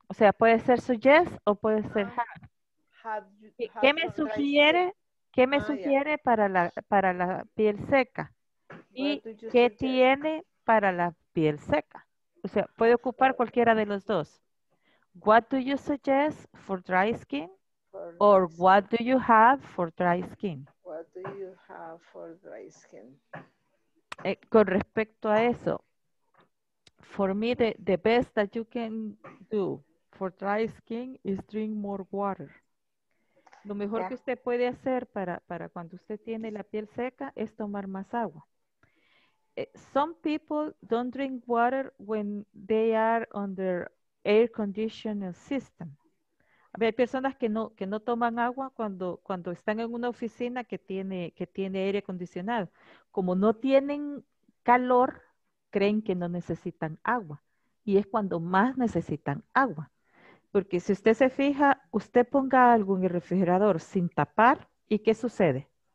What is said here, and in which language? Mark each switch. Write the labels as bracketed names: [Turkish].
[Spanish] O sea, puede ser suggest o puede ser have. ¿Qué me sugiere? ¿Qué me sugiere para la piel seca? ¿Y qué tiene para la piel seca? O sea, puede ocupar cualquiera de los dos. [English] What do you suggest for dry skin? Or what do you have for dry skin? What do you have for dry skin? [Spanish] Con respecto a eso, [English] for me, the best that you can do for dry skin is drink more water. [Spanish] Lo mejor que usted puede hacer para cuando usted tiene la piel seca es tomar más agua. [English] Some people don't drink water when they are under air conditioning system. [Spanish] Hay personas que no toman agua cuando están en una oficina que tiene aire acondicionado. Como no tienen calor, creen que no necesitan agua. Y es cuando más necesitan agua. Porque si usted se fija, usted ponga algo en el refrigerador sin tapar, ¿y qué sucede?